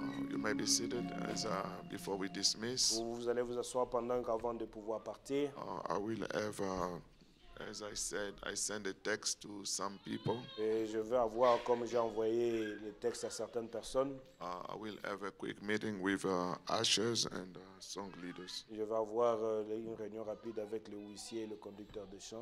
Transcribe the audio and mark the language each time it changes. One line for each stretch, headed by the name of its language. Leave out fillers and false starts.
English: You may be seated as before we dismiss.
French: Vous allez vous asseoir pendant qu'avant de pouvoir partir.
English: I will have, as I said, I send a text to some people.
French: Et je vais avoir, comme j'ai envoyé le texte à certaines personnes.
English: I will have a quick meeting with ushers and song leaders.
French: Je vais avoir une réunion rapide avec le huissier et le conducteur de chant.